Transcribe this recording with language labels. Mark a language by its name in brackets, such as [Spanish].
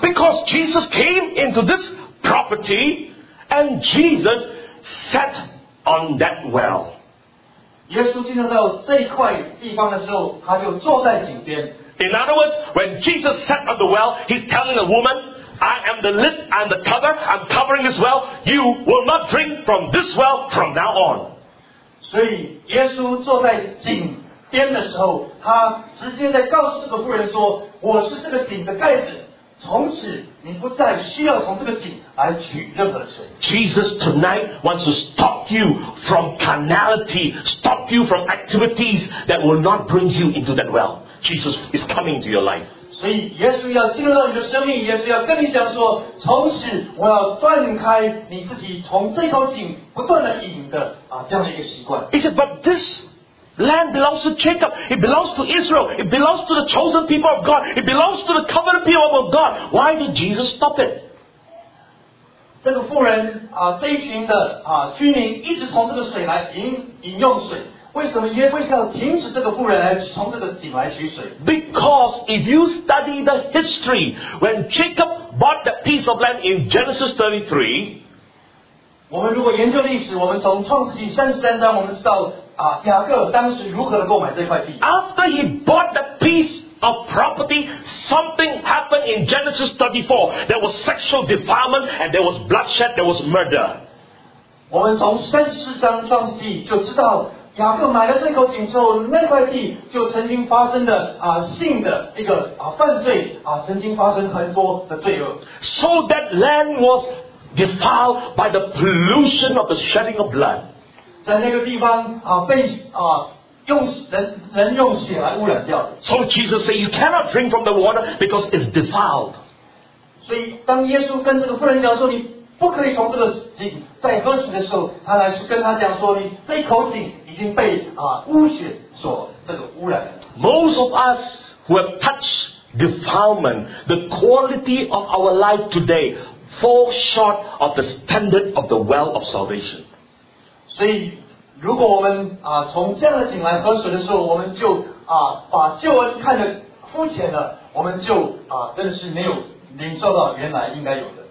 [English] Because Jesus came into this property, and Jesus sat on that well. [Chinese] 耶稣进入到这一块地方的时候，他就坐在井边。 [English] In other words, when Jesus sat at the well, he's telling the woman, "I am the lid, I'm the cover, I'm covering this well. You will not drink from this well from now on." [Chinese] 所以耶稣坐在井边的时候，他直接在告诉这个妇人说，我是这个井的盖子，从此你不再需要从这个井来取任何水。 [English] Jesus tonight wants to stop you from carnality, stop you from activities that will not bring you into that well. Jesus is coming to your life. [Chinese] 所以耶稣要进入到你的生命，耶稣要跟你讲说，从此我要断开你自己从这口井不断的饮的啊这样的一个习惯。 [English] He said, but this. Land belongs to Jacob. It belongs to Israel. It belongs to the chosen people of God. It belongs to the covenant people of God. Why did Jesus stop it? [Chinese] 这个妇人啊，这一群的啊居民一直从这个水来饮用水。为什么耶稣要停止这个妇人来从这个井来取水？ [English] Because if you study the history, when Jacob bought that piece of land in Genesis 33, [Chinese] 我们如果研究历史，我们从创世纪33章，我们知道。雅各当时如何的购买这块地？ [English] After he bought the piece of property, something happened in Genesis 34. There was sexual defilement and there was bloodshed, there was murder. [Chinese] 我们从34章创世纪就知道，雅各买了这口井之后，那块地就曾经发生的性的一个犯罪曾经发生很多的罪恶。 [English] So that land was defiled by the pollution of the shedding of blood. [Chinese] 在那个地方被用人用血来污染掉。 [English] So Jesus said, "You cannot drink from the water because it's defiled." [Chinese] 所以当耶稣跟这个妇人讲说你不可以从这个井再喝水的时候，他来跟他讲说你这一口井已经被污血所这个污染了。 [English] Most of us who have touched defilement, the quality of our life today falls short of the standard of the well of salvation. [Chinese] 所以如果我们从这样的井来喝水的时候，我们就把救恩看得肤浅了，我们就真的是没有领受到原来应该有的。